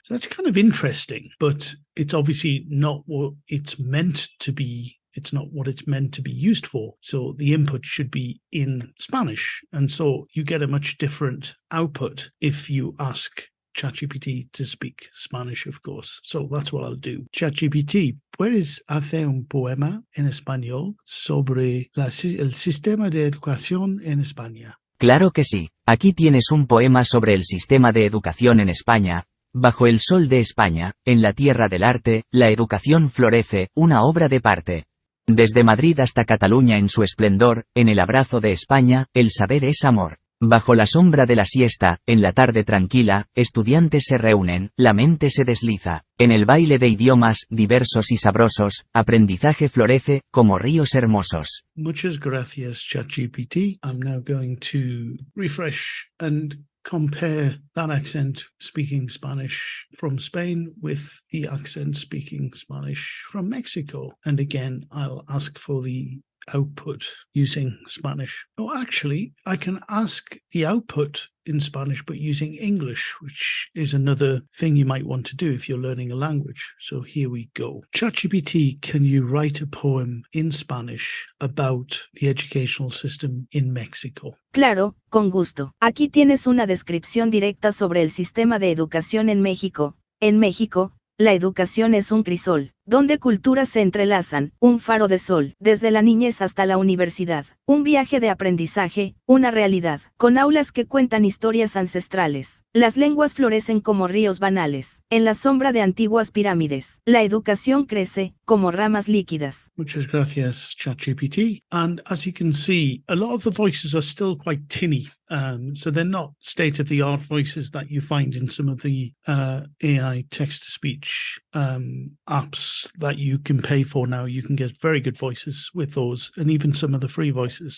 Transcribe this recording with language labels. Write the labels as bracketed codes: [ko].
[en] So that's kind of interesting, but it's obviously not what it's meant to be. It's not what it's meant to be used for. So the input should be in Spanish. And so you get a much different output if you ask ChatGPT to speak Spanish, of course. So that's what I'll do. [es] ChatGPT, ¿puedes hacer un poema en español sobre el sistema de educación en España? Claro que sí. Aquí tienes un poema sobre el sistema de educación en España. Bajo el sol de España, en la tierra del arte, la educación florece, una obra de parte. Desde Madrid hasta Cataluña en su esplendor, en el abrazo de España, el saber es amor. Bajo la sombra de la siesta, en la tarde tranquila, estudiantes se reúnen, la mente se desliza. En el baile de idiomas, diversos y sabrosos, aprendizaje florece, como ríos hermosos. Muchas gracias, ChatGPT. [en] I'm now going to refresh and compare that accent speaking Spanish from Spain with the accent speaking Spanish from Mexico. And again, I'll ask for the output using Spanish. Oh, actually, I can ask the output in Spanish, but using English, which is another thing you might want to do if you're learning a language. So here we go. ChatGPT, can you write a poem in Spanish about the educational system in Mexico? [es] Claro, con gusto. Aquí tienes una descripción directa sobre el sistema de educación en México. En México, la educación es un crisol, donde culturas se entrelazan, un faro de sol, desde la niñez hasta la universidad, un viaje de aprendizaje, una realidad, con aulas que cuentan historias ancestrales. Las lenguas florecen como ríos banales, en la sombra de antiguas pirámides. La educación crece, como ramas líquidas. Muchas gracias, ChatGPT. [en] And as you can see, a lot of the voices are still quite tinny. So they're not state-of-the-art voices that you find in some of the AI text-to-speech apps that you can pay for now. You can get very good voices with those, and even some of the free voices.